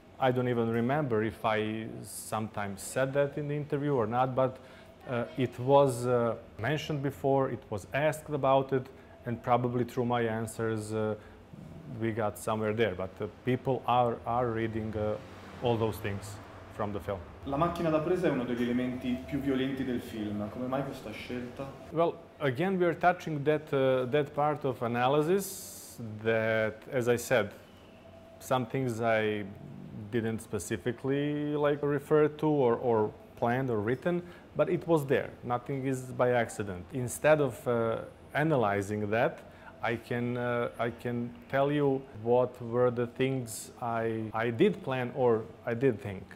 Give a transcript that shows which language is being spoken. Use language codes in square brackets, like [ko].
[en] I don't even remember if I sometimes said that in the interview or not, but it was mentioned before, it was asked about it, and probably through my answers we got somewhere there. But people are reading all those things from the film. [it] La macchina da presa è uno degli elementi più violenti del film. Come mai questa scelta? [en] Well, again, we are touching that part of analysis that, as I said, some things I didn't specifically like refer to or planned or written, but it was there. Nothing is by accident. Instead of analyzing that, I can tell you what were the things I did plan or I did think.